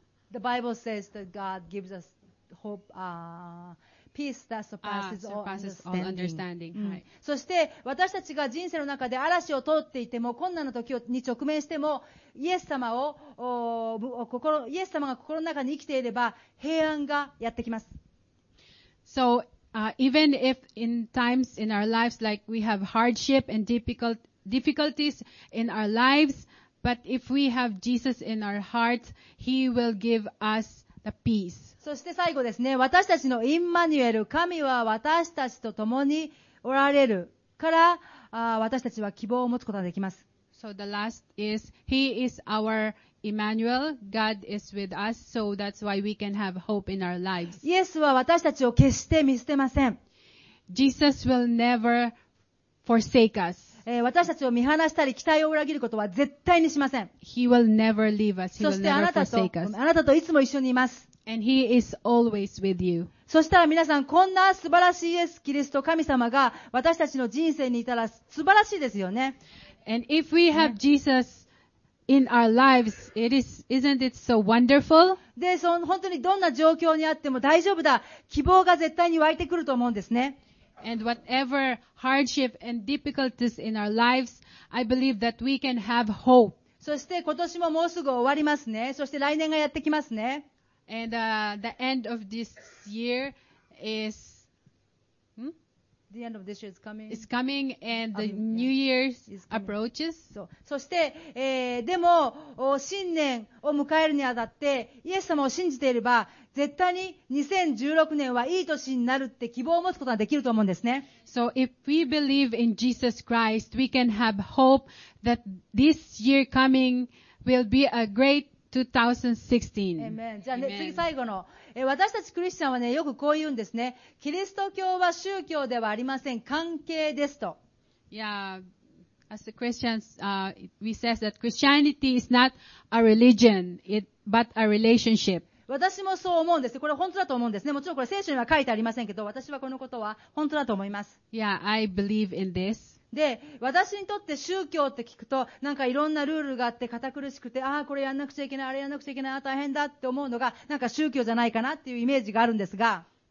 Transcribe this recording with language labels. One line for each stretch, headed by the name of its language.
English: The Bible says that God gives us hope, peace that surpasses all understanding.、
Japanese: うん、そして私たちが人生の中で嵐を通っていても困難の時に直面してもイエス様を心、イエス様が心の中に生きていれば平安がやってきます。
English: So、even if in times in our lives like we have hardship and difficulties in our lives, but if we have Jesus in our hearts, He will give us the peace
Japanese: そして最後ですね、私たちのインマニュエル、神は私たちと共におられるから、私たちは希望を持つことができます。
English: So the last is, He is our Emmanuel, God is with us, so that's why we can have hope in our lives.
Japanese: イエスは私たちを決して見捨てません。
English: Jesus will never forsake us.
Japanese: 私たちを見放したり、期待を裏切ることは絶対にしません。
English: He will never leave us. He will never forsake us.
Japanese: そしてあなたといつも一緒にいます。
English: And he is always with you.
Japanese: そしたら皆さん、こんな素晴らしいイエス・キリスト、神様が私たちの人生にいたら素晴らしいですよね。
English: And if we have Jesus in our lives, isn't it so wonderful?
Japanese: で、本当にどんな状況にあっても大丈夫だ。希望が絶対に湧いてくると思うんですね。
English: And whatever hardship and difficulties in our lives, I believe that we can have hope. そして今年ももうすぐ終わりますね。そして来年がやってきますね。 And, the end of this year is, The end of this year is coming. It's coming and the new year's approaches.
Japanese: そして、でも、新年を迎えるにあたって、イエス様を信じていれば、絶対に2016年はいい年になるって希望を持つことができると思うんですね。
English: So if we believe in Jesus Christ, we can have hope that this year coming will be a great2016.
Japanese: Amen. じゃあ、ね、次最後の、私たちクリスチャンはね、よくこう言うんですね。キリスト教は宗教ではありません。関係ですと。
English: Yeah, as the Christians, we say that Christianity is not a religion, but a relationship.
Japanese: 私もそう思うんです。これ本当だと思うんですね。もちろんこれ聖書には書いてありませんけど、私はこのことは本当だと思います。
English: Yeah, I believe in this.
Japanese: で、私にとって宗教って聞くと、なんかいろんなルールがあって堅苦しくて、ああ、これやんなくちゃいけない、あれやんなくちゃいけない、大変だって思うのが、なんか宗教じゃないかなっていうイメージがあるんですが。